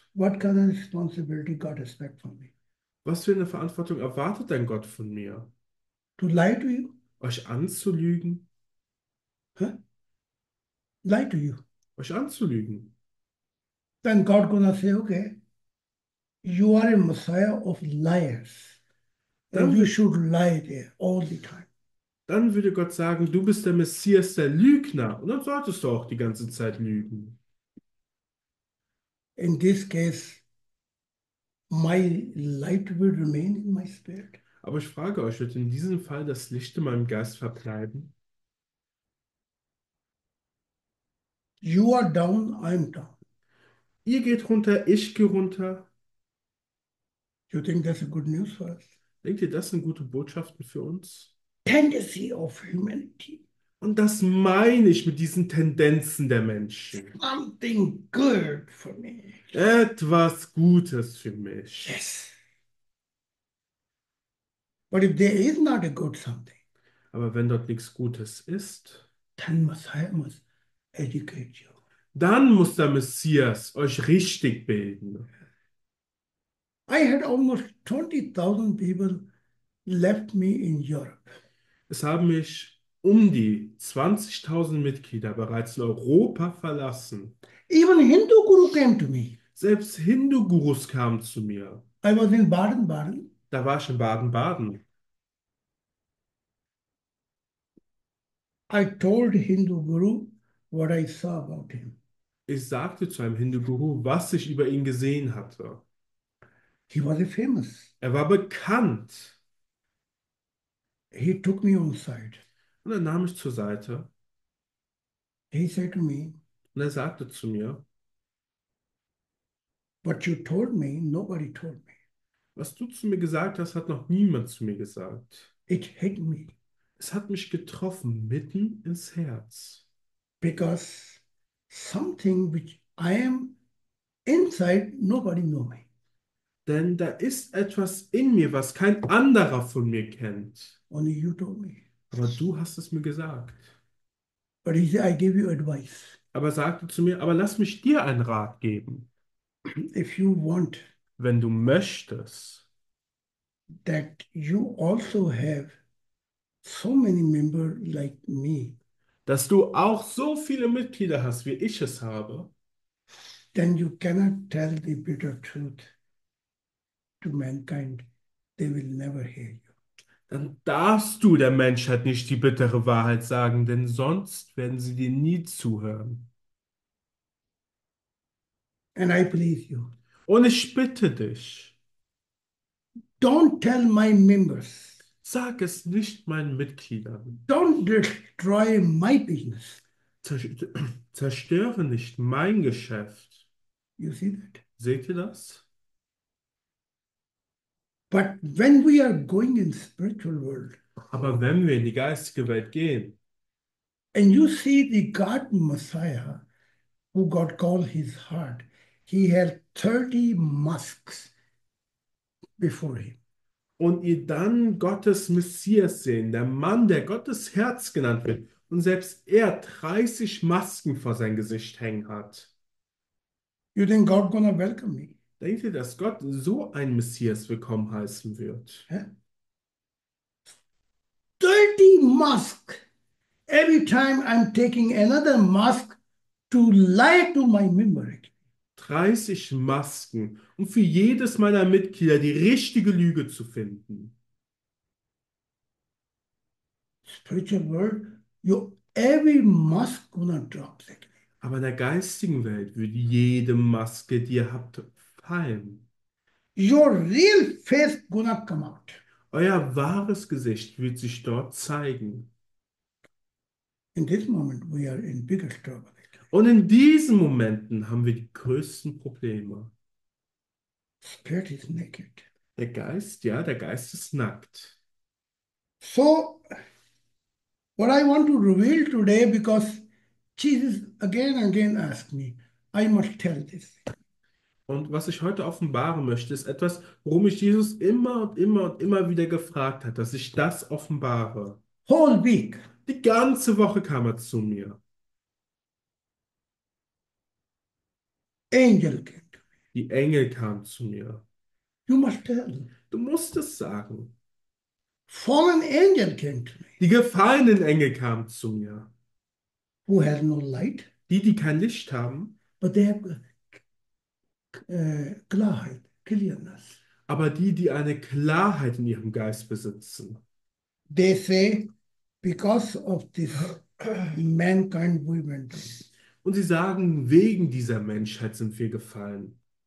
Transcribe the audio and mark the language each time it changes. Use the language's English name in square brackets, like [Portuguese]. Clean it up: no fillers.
[English] what kind of responsibility God expect from me? [German] was für eine Verantwortung erwartet denn Gott von mir? [English] To lie to you? [German] Euch anzulügen? [English] Lie to you? [German] Euch anzulügen? [English] Then God gonna say, okay, you are a messiah of liars and you should lie there all the time. [German] Dann würde Gott sagen, du bist der Messias, der Lügner. Und dann solltest du auch die ganze Zeit lügen. [English] In this case, my light will remain in my spirit. [German] Aber ich frage euch, wird in diesem Fall das Licht in meinem Geist verbleiben? [English] You are down, I'm down. [German] Ihr geht runter, ich gehe runter. [English] You think that's a good news for us? [German] Denkt ihr, das sind gute Botschaften für uns? [English] Tendency of humanity. [German] Und das meine ich mit diesen Tendenzen der Menschen. [English] Something good for me. [German] Etwas Gutes für mich. [English] Yes. But if there is not a good something, [German] Aber wenn dort nichts Gutes ist, [English] then Messiah must educate you. [German] dann muss der Messias euch richtig bilden. [English] I had almost 20,000 people left me in Europe. [German] Es haben mich um die 20.000 Mitglieder bereits in Europa verlassen. [English] Even Hindu Guru came to me. [German] Selbst Hindu-Gurus kamen zu mir. [English] I was in Baden-Baden. [German] Da war ich in Baden-Baden. [English] I told Hindu Guru what I saw about him. [German] Ich sagte zu einem Hindu-Guru, was ich über ihn gesehen hatte. [English] He was a famous. [German] Er war bekannt. [English] He took me on side. [German] Und er nahm mich zur Seite. [English] He said to me, [German] Und er sagte zu mir, [English] what you told me, nobody told me. [German] was du zu mir gesagt hast, hat noch niemand zu mir gesagt. [English] It hit me. [German] Es hat mich getroffen, mitten ins Herz. [English] Because something which I am inside, nobody know me. [German] Denn da ist etwas in mir, was kein anderer von mir kennt. [English] Only you told me. [German] Aber du hast es mir gesagt. [English] But he said, I give you advice. [German] Aber sagte zu mir, aber lass mich dir einen Rat geben. [English] If you want [German] Wenn du möchtest, [English] that you also have so many member like me, [German] dass du auch so viele Mitglieder hast, wie ich es habe, [English] then you cannot tell the bitter truth to mankind. They will never hear you. [German] dann darfst du der Menschheit nicht die bittere Wahrheit sagen, denn sonst werden sie dir nie zuhören. [English] And I please you. [German] Und ich bitte dich, [English] Don't tell my members. [German] sag es nicht meinen Mitgliedern. [English] Don't destroy my business. [German] Zerstöre nicht mein Geschäft. [English] You see that? [German] Seht ihr das? [English] But when we are going in spiritual world, [German] Aber wenn wir in die geistige Welt gehen, [English] and you see the God Messiah, who God called his heart, he had 30 masks before him. [German] und ihr dann Gottes Messias sehen, der Mann, der Gottes Herz genannt wird, und selbst er 30 Masken vor sein Gesicht hängen hat. [English] You think God gonna welcome me? [German] Denkt ihr, dass Gott so ein Messias willkommen heißen wird? [English] Mask. Every time I'm taking another mask to lie to my memory. [German] 30 Masken, um für jedes meiner Mitglieder die richtige Lüge zu finden. [English] Spiritual world, your every mask gonna drop second. [German] Aber in der geistigen Welt wird jede Maske, die ihr habt, fallen. [English] Your real face gonna come out. [German] Euer wahres Gesicht wird sich dort zeigen. [English] In this moment we are in bigger trouble. [German] Und in diesen Momenten haben wir die größten Probleme. [English] Spirit is naked. [German] Der Geist, ja, der Geist ist nackt. [English] So, what I want to reveal today, because Jesus again and again asked me, I must tell this. [German] Und was ich heute offenbaren möchte, ist etwas, worum mich Jesus immer und immer und immer wieder gefragt hat, dass ich das offenbare. [English] Whole week. [German] Die ganze Woche kam er zu mir. [English] Angel came to me. [German] Die Engel kamen zu mir. [English] You must tell. [German] Du musst es sagen. [English] Fallen angel came to me. [German] Die gefallenen Engel kamen zu mir. [English] Who have no light, [German] Die, die kein Licht haben, [English] but they have [German] Klarheit, clearness. Aber die, die eine Klarheit in ihrem Geist besitzen. [English] They say, because of this mankind, we went [German] Und sie sagen, wegen dieser Menschheit sind wir gefallen.